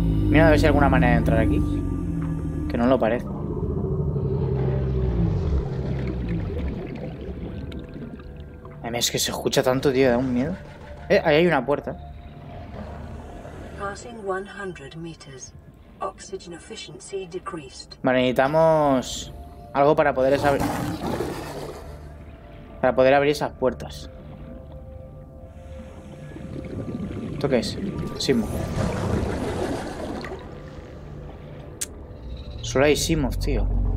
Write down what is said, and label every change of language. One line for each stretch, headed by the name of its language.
Spanish: Mira, a ver si hay alguna manera de entrar aquí. Que no lo parece. A mí es que se escucha tanto, tío, da un miedo. Ahí hay una puerta.
English: Passing 100 meters. Oxygen efficiency decreased.
Spanish: Vale, necesitamos algo para poder abrir. Para poder abrir esas puertas. ¿Esto qué es? Simo. Solo hay Simos, tío.